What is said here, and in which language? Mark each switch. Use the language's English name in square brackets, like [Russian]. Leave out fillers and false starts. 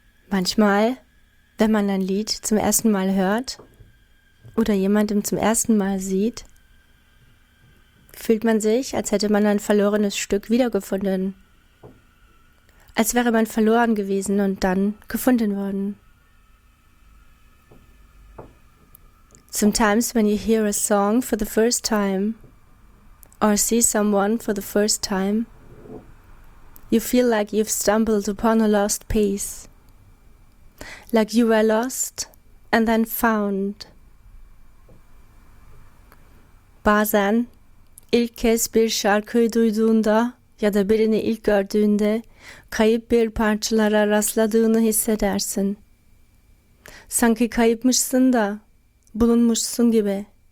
[German] Manchmal, wenn man ein Lied zum ersten Mal hört oder jemanden zum ersten Mal sieht, fühlt man sich, als hätte man ein verlorenes Stück wiedergefunden. Als wäre man verloren gewesen und dann gefunden worden. [English] Sometimes when you hear a song for the first time or see someone for the first time, you feel like you've stumbled upon a lost piece. Like you were lost and then found. [Turkish] Bazen ilk kez bir şarkıyı duyduğunda ya da birini ilk gördüğünde kayıp bir parçalara rastladığını hissedersin. Sanki kayıpmışsın da bulunmuşsun gibi.